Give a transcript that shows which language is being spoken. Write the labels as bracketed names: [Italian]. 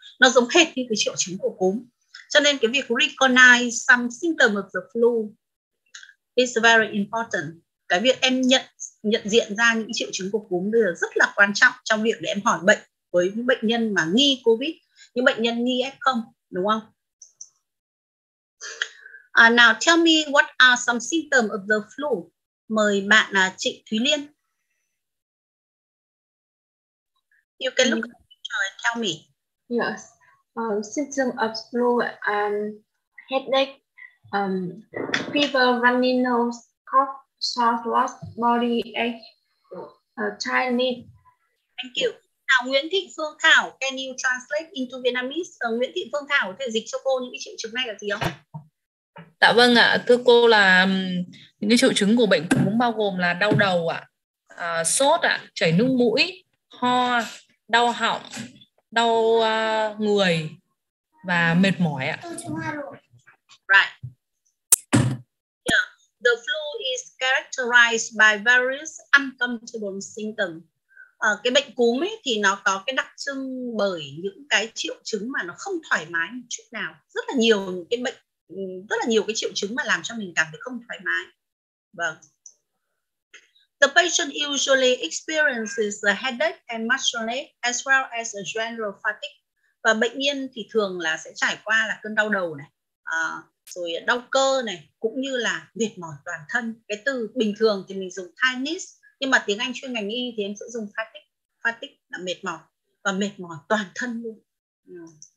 [Vietnamese] Nó giống hệt như cái triệu chứng của cúm. Cho nên cái việc [English] recognize some symptom of the flu is very important. [Vietnamese] Cái việc em nhận diện ra những triệu chứng của cúm bây giờ rất là quan trọng trong việc để em hỏi bệnh với bệnh nhân mà nghi COVID, những bệnh nhân nghi F0, đúng không? [English] Now tell me what are some symptoms of the flu. [Vietnamese] Mời bạn là chị [English] Thúy Liên. You can look at the picture and tell me. Yes. Symptoms of flu headache, fever, runny nose, cough, sore throat, body ache, tired knee. Thank you. Nguyễn Thị Phương Thảo, can you translate into Vietnamese? [Vietnamese] Nguyễn Thị Phương Thảo có thể dịch cho cô những cái triệu chứng này là gì không? Dạ vâng ạ, thưa cô, là những cái triệu chứng của bệnh cúm bao gồm là đau đầu ạ, sốt ạ, chảy nước mũi, ho, đau họng, đau người và mệt mỏi ạ. [English] Right. Yeah. The flu is characterized by various uncomfortable symptoms. [Vietnamese] Cái bệnh cúm ấy thì nó có cái đặc trưng bởi những cái triệu chứng mà nó không thoải mái một chút nào. Rất là nhiều cái bệnh, rất là nhiều cái triệu chứng mà làm cho mình cảm thấy không thoải mái. Vâng. [English] The patient usually experiences a headache and muscle ache as well as a general fatigue. [Vietnamese] Và bệnh nhân thì thường là sẽ trải qua là cơn đau đầu này, rồi đau cơ này, cũng như là mệt mỏi toàn thân. Cái từ bình thường thì mình dùng tiredness, nhưng mà tiếng Anh chuyên ngành y thì em sẽ dùng fatigue là mệt mỏi, và mệt mỏi toàn thân luôn.